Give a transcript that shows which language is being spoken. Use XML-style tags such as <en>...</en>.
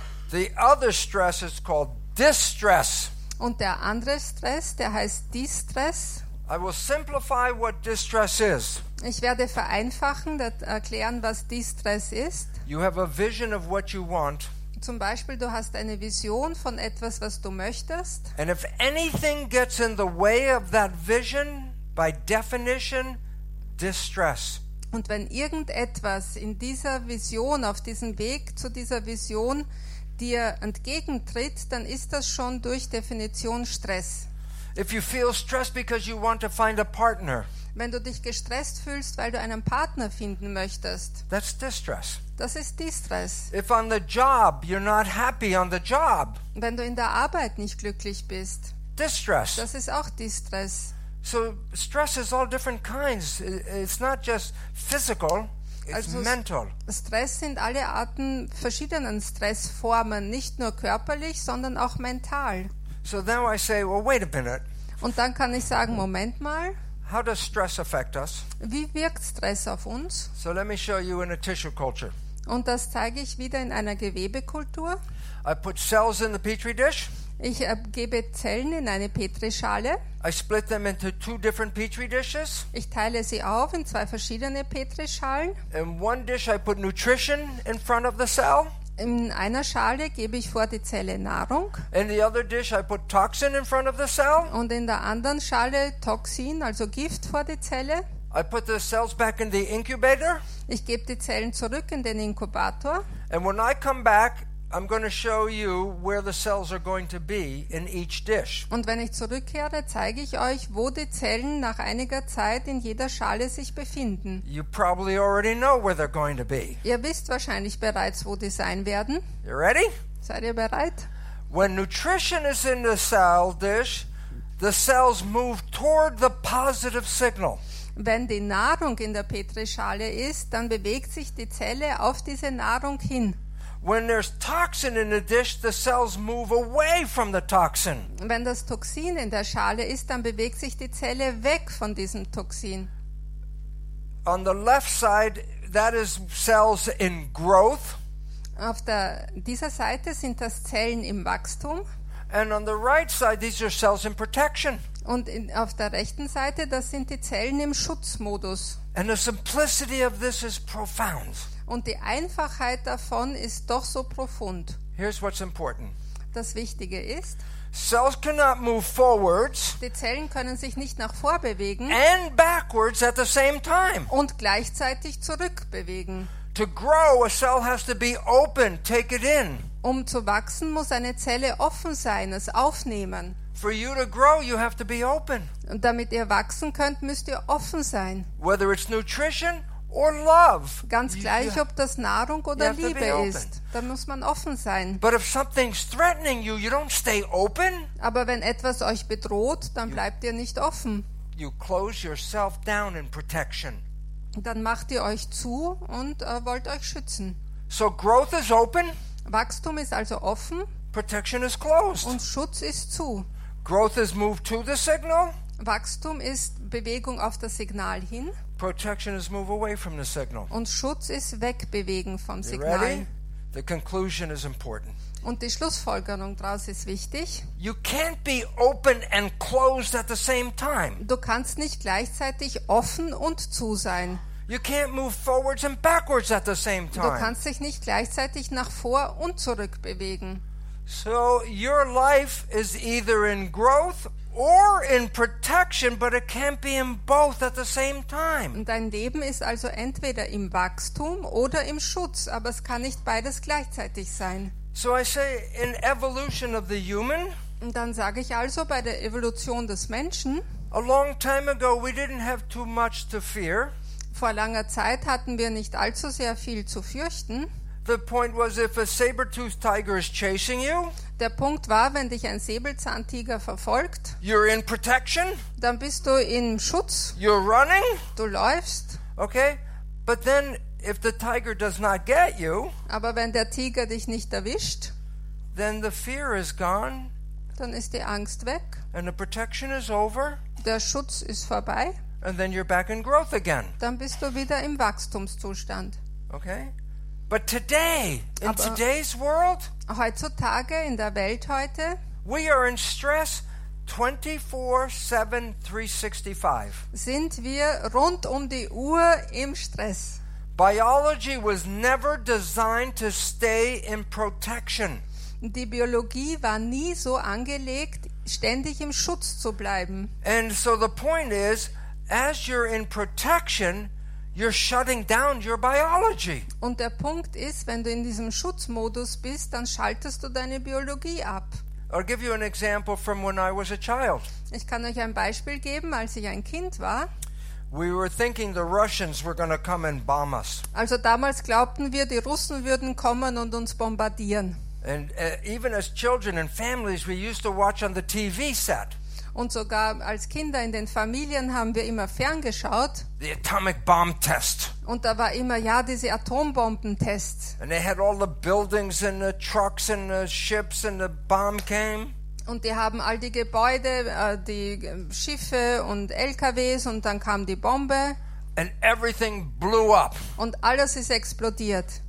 <en>The other stress is called distress.</en> <de>Und der andere Stress, der heißt Distress.</de> <en>I will simplify what distress is.</en> <de>Ich werde vereinfachen, erklären, was Distress ist.</de> <en>You have a vision of what you want.</en> <de>Zum Beispiel, du hast eine Vision von etwas, was du möchtest.</de> <en>And if anything gets in the way of that vision, by definition, distress.</en> <de>Und wenn irgendetwas in dieser Vision, auf diesem Weg zu dieser Vision dir entgegentritt, dann ist das schon durch Definition Stress.</de> <en>If you feel stressed because you want to find a partner,</en> <de>wenn du dich gestresst fühlst, weil du einen Partner finden möchtest,</de> <en>that's distress.</en> <de>Das ist Distress.</de> <en>If on the job you're not happy on the job,</en> <de>wenn du in der Arbeit nicht glücklich bist,</de> <en>distress.</en> <de>Das ist auch Distress.</de> <en>So stress is all different kinds. It's not just physical.</en> <de>Also Stress sind alle Arten verschiedenen Stressformen, nicht nur körperlich, sondern auch mental.</de> <en>So now I say, well, wait a minute.</en> <de>Und dann kann ich sagen, Moment mal.</de> <en>How does stress affect us?</en> <de>Wie wirkt Stress auf uns?</de> <en>So let me show you in a tissue culture.</en> <de>Und das zeige ich wieder in einer Gewebekultur.</de> <en>I put cells in the petri dish.</en> <de>Ich gebe Zellen in eine Petrischale.</de> <en>I split them into two different petri dishes.</en> <de>Ich teile sie auf in zwei verschiedene Petrischalen.</de> <en>In one dish I put nutrition in front of the cell.</en> <de>In einer Schale gebe ich vor die Zelle Nahrung.</de> <en>In the other dish I put toxin in front of the cell.</en> <de>Und in der anderen Schale Toxin, also Gift, vor die Zelle.</de> <en>I put the cells back in the incubator.</en> <de>Ich gebe die Zellen zurück in den Inkubator.</de> <en>And when I come back, I'm going to show you where the cells are going to be in each dish.</en> <de>Und wenn ich zurückkehre, zeige ich euch, wo die Zellen nach einiger Zeit in jeder Schale sich befinden.</de> <en>You probably already know where they're going to be.</en> <de>Ihr wisst wahrscheinlich bereits, wo die sein werden.</de> <en>You ready?</en> <de>Seid ihr bereit?</de> <en>When nutrition is in the cell dish, the cells move toward the positive signal.</en> <de>Wenn die Nahrung in der Petrischale ist, dann bewegt sich die Zelle auf diese Nahrung hin.</de> <en>When there's toxin in the dish, the cells move away from the toxin.</en> <de>Wenn das Toxin in der Schale ist, dann bewegt sich die Zelle weg von diesem Toxin.</de> <en>On the left side, that is cells in growth.</en> <de>Auf dieser Seite sind das Zellen im Wachstum.</de> <en>And on the right side, these are cells in protection.</en> <de>Und in, auf der rechten Seite, das sind die Zellen im Schutzmodus.</de> <en>And the simplicity of this is profound.</en> <de>Und die Einfachheit davon ist doch so profund.</de> <en>Here's what's important.</en> <de>Das Wichtige ist,</de> <en>cells cannot move forwards.</en> <de>Die Zellen können sich nicht nach vor bewegen.</de> <en>And backwards at the same time.</en> <de>Und gleichzeitig zurück bewegen.</de> <en>To grow, a cell has to be open. Take it in.</en> <de>Um zu wachsen, muss eine Zelle offen sein, es aufnehmen.</de> <en>For you to grow, you have to be open.</en> <de>Und damit ihr wachsen könnt, müsst ihr offen sein.</de> <en>Whether it's nutrition or love.</en> <de>Ganz gleich, ob das Nahrung oder Liebe ist. Dann muss man offen sein.</de> <en>But if something's threatening you, you don't stay open.</en> <de>Aber wenn etwas euch bedroht, dann bleibt ihr nicht offen.</de> <en>You close yourself down in protection.</en> <de>Dann macht ihr euch zu und wollt euch schützen.</de> <en>So growth is open.</en> <de>Wachstum ist also offen.</de> <en>Protection is closed.</en> <de>Und Schutz ist zu.</de> <en>Growth is moved to the signal.</en> <de>Wachstum ist Bewegung auf das Signal hin.</de> <en>Protection is move away from the signal.</en> <de>Und Schutz ist Wegbewegen vom Signal.</de> <en>Ready? The conclusion is important.</en> <de>Und die Schlussfolgerung daraus ist wichtig.</de> <en>You can't be open and closed at the same time.</en> <de>Du kannst nicht gleichzeitig offen und zu sein.</de> <en>You can't move forwards and backwards at the same time.</en> <de>Du kannst dich nicht gleichzeitig nach vor und zurück bewegen.</de> <en>So your life is either in growth or in protection, but it can't be in both at the same time.</en> <de>Dein Leben ist also entweder im Wachstum oder im Schutz, aber es kann nicht beides gleichzeitig sein.</de> <en>So I say in evolution of the human.</en> <de>Und dann sage ich also bei der Evolution des Menschen.</de> <en>A long time ago we didn't have too much to fear.</en> <de>Vor langer Zeit hatten wir nicht allzu sehr viel zu fürchten.</de> <en>The point was, if a saber-toothed tiger is chasing you,</en> <de>der Punkt war, wenn dich ein Säbelzahntiger verfolgt,</de> <en>you're in protection,</en> <de>dann bist du in Schutz.</de> <en>You're running,</en> <de>du läufst.</de> <en>Okay, but then if the tiger does not get you,</en> <de>aber wenn der Tiger dich nicht erwischt,</de> <en>then the fear is gone,</en> <de>dann ist die Angst weg,</de> <en>and the protection is over,</en> <de>der Schutz ist vorbei.</de> <en>And then you're back in growth again.</en> <de>Dann bist du wieder im Wachstumszustand.</de> <en>Okay? But today, in</en> <de>aber</de> <en>today's world,</en> <de>heutzutage in der Welt heute,</de> <en>we are in stress 24/7 365.</en> <de>Sind wir rund um die Uhr im Stress.</de> <en>Biology was never designed to stay in protection.</en> <de>Die Biologie war nie so angelegt, ständig im Schutz zu bleiben.</de> <en>And so the point is, as you're in protection, you're shutting down your biology.</en> <de>Und der Punkt ist, wenn du in diesem Schutzmodus bist, dann schaltest du deine Biologie ab.</de> <en>I'll give you an example from when I was a child.</en> <de>Ich kann euch ein Beispiel geben, als ich ein Kind war.</de> <en>We were thinking the Russians were going to come and bomb us.</en> <de>Also damals glaubten wir, die Russen würden kommen und uns bombardieren.</de> <en>And even as children and families, we used to watch on the TV set.</en> <de>Und sogar als Kinder in den Familien haben wir immer ferngeschaut.</de> <en>The atomic bomb test.</en> <de>Und da war immer, ja, diese Atombombentests.</de> <en>And they had all the buildings and the trucks and the ships and the bomb came.</en> <de>Und die haben all die Gebäude, die Schiffe und LKWs und dann kam die Bombe.</de> <en>And everything blew up.</en> <de>Und alles ist explodiert.</de>